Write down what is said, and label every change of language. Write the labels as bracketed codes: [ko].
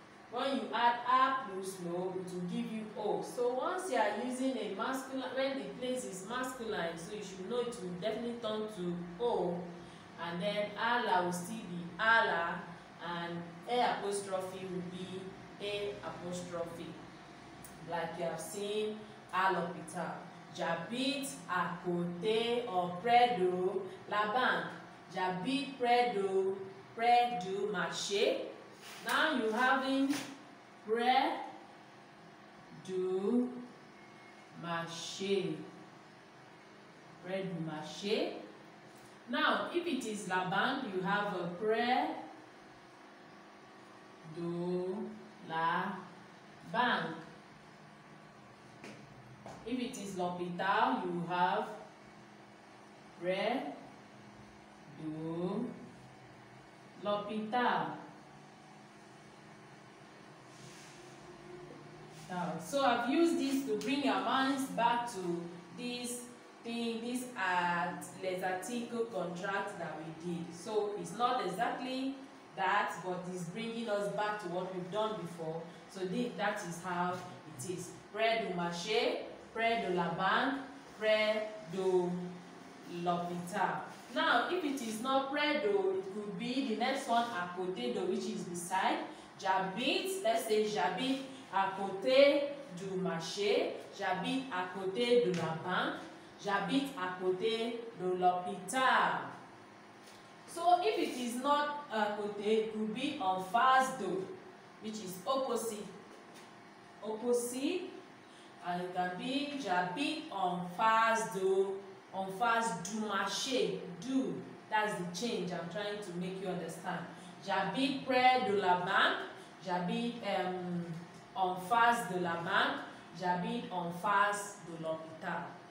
[en] When you add a plus lo, it will give you o. So once you are using a masculine, when the place is masculine, so you should know it will definitely turn to o, and then ala will still be ala, and a apostrophe will be a apostrophe. Like you have seen, al'hôpital. [fr] J'habite à côté ou près de la banque. J'habite près de marché. [en] Now you having [fr] près de marché. Près de marché. [en] Now if it is la banque, you have a [fr] près de la banque. [en] If it is l'hôpital, you have [fr] près de l'hôpital. [en] So I've used this to bring your minds back to this thing, this les articles contract that we did. So it's not exactly that, but it's bringing us back to what we've done before. So that is how it is. [fr] Près de marché, près de la banque, près de l'hôpital. [en] Now, if it is not près de, it could be the next one, [fr] à côté de, [en] which is beside. [fr] J'habite, [en] let's say [fr] j'habite à côté du marché. J'habite à côté de la banque. J'habite à côté de l'hôpital. [en] So, if it is not à côté, it could be [fr] en face de, [en] which is opposite. Opposite. And it can be [fr] j'habite en face du marché, du. [en] That's the change I'm trying to make you understand. [fr] J'habite près de la banque, j'habite en face de la banque, j'habite en face de l'hôpital.